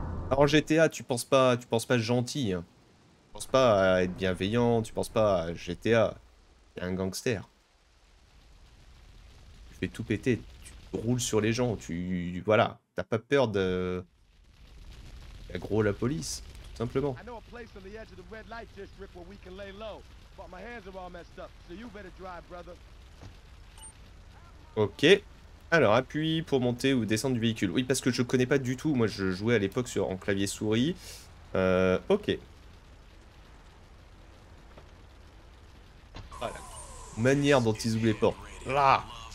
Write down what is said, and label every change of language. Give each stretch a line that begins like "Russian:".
French: Alors GTA, tu penses pas gentil. Hein. Tu penses pas à être bienveillant, tu penses pas à GTA, t'es un gangster. Tu fais tout péter, tu roules sur les gens. Tu voilà, t'as pas peur de gros la police, tout simplement.
English: I know a place on the edge of the red light district where we can lay low, but my hands are all messed up, so you better drive, brother. Ok.
French: Alors, appuie pour monter ou descendre du véhicule. Oui, parce que je connais pas du tout. Moi, je jouais à l'époque sur en clavier souris. Ok. Voilà. Manière dont ils ouvrent les portes. Là.